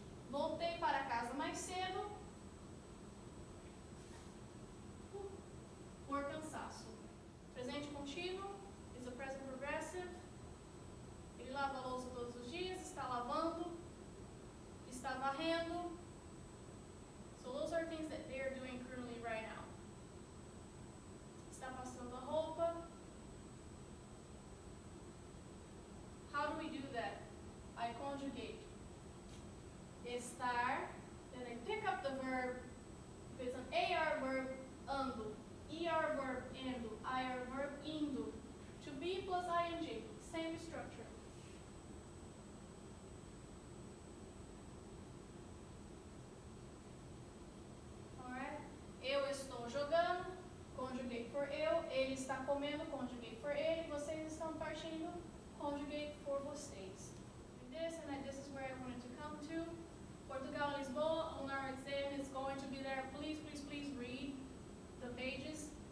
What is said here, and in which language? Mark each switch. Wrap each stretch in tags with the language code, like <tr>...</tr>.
<pt>Voltei para casa mais cedo por cansaço. Presente contínuo,</pt> <en>is a present progressive.</en> <pt>Ele lava a louça todos os dias, está lavando, está varrendo.</pt> <en>So those are things that they are doing currently right now.</en> <pt>Está passando a roupa.</pt> <en>How do we do that? I conjugate. Estar. Then I pick up the verb. If it's an AR verb, ando. ER verb, ando. IR verb, indo. To be plus ing. Same structure.</en> <pt>Alright? Eu estou jogando.</pt> <en>Conjugate for</en> <pt>eu, ele está comendo,</pt> <en>conjugate for</en> <pt>ele, vocês estão partindo,</pt> <en>conjugate for</en> <pt>vocês.</pt> <en>Like this, and this is where I wanted to come to. Portugal, Lisboa, on our exam, is going to be there. Please, please, please read the pages.</en>